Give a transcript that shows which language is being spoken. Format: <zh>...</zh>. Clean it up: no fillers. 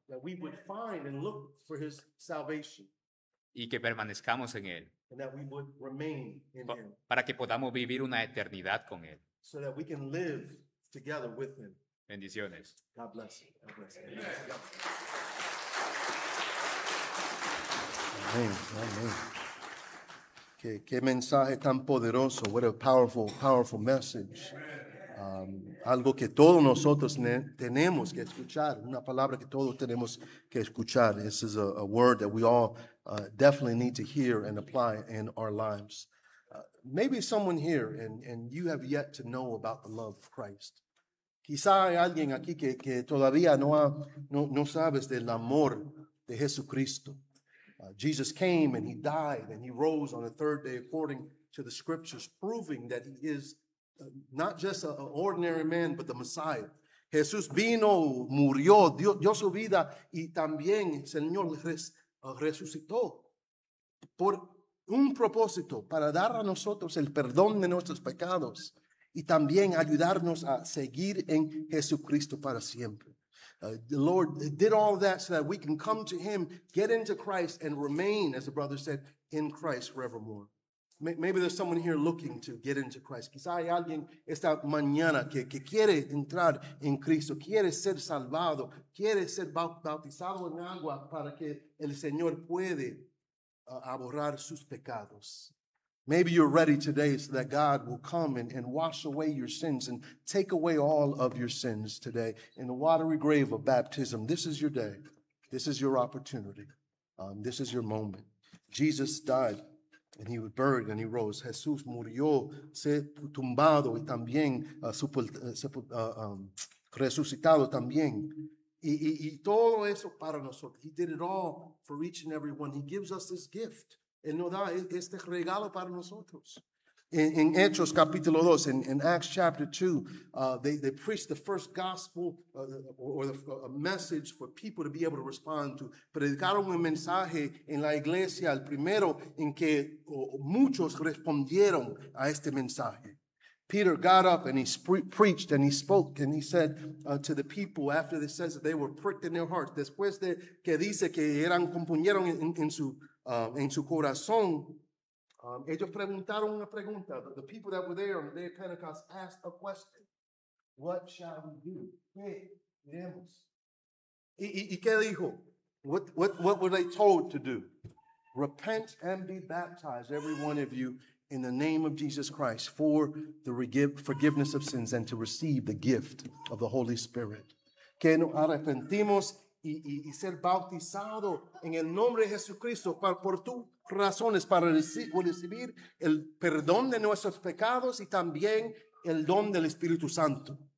<en>That we would find and look for his salvation.</en> <es>Y que permanezcamos en él.</es> <en>And that we would remain in him.</en> <es>Para que podamos vivir una eternidad con él.</es> <en>So that we can live together with him.</en> <es>Bendiciones.</es> <en>God bless you. God bless you. Amen. Amen. Amen.</en> <es>Qué mensaje tan poderoso.</es> <en>What a powerful, powerful message. Amen.</en> <es>Algo que todos nosotros tenemos que escuchar, una palabra que todos tenemos que escuchar.</es> <en>This is a word that we all definitely need to hear and apply in our lives. Maybe someone here and you have yet to know about the love of Christ.</en> <es>Quizá hay alguien aquí que todavía no sabes del amor de Jesucristo.</es> <en>Jesus came and he died and he rose on the third day according to the scriptures, proving that he is not just an ordinary man, but the Messiah.</en> <es>Jesús vino, murió, dio su vida, y también el Señor resucitó por un propósito, para dar a nosotros el perdón de nuestros pecados y también ayudarnos a seguir en Jesucristo para siempre.</es> <en>The Lord did all that so that we can come to him, get into Christ, and remain, as the brother said, in Christ forevermore. Maybe there's someone here looking to get into Christ.</en> <es>Quizá hay alguien esta mañana que quiere entrar en Cristo, quiere ser salvado, quiere ser bautizado en agua para que el Señor puede borrar sus pecados.</es> <en>Maybe you're ready today so that God will come and wash away your sins and take away all of your sins today in the watery grave of baptism. This is your day. This is your opportunity. This is your moment. Jesus died and he was buried and he rose.</en> <es>Jesús murió, se tumbado y también resucitado también. Y todo eso para nosotros.</es> <en>He did it all for each and every one. He gives us this gift.</en> <es>Él nos da este regalo para nosotros.</es> <en>In</en> <es>Hechos capítulo 2,</es> <en>in Acts chapter 2, they preached the first gospel or a message for people to be able to respond to.</en> <es>Predicaron un mensaje en la iglesia, el primero en que muchos respondieron a este mensaje.</es> <en>Peter got up and he preached and he spoke and he said to the people after it says that they were pricked in their hearts.</en> <es>Después de que dice que eran compuñeron en su corazón, ellos preguntaron una pregunta.</es> <en>The people that were there on the day of Pentecost asked a question. What shall we do?</en> <es>¿Qué diremos? ¿Y qué dijo?</es> <en>What were they told to do? Repent and be baptized, every one of you, in the name of Jesus Christ for the forgiveness of sins and to receive the gift of the Holy Spirit.</en> <es>Que nos arrepentimos y ser bautizado en el nombre de Jesucristo por tu razones para recibir el perdón de nuestros pecados y también el don del Espíritu Santo.</es>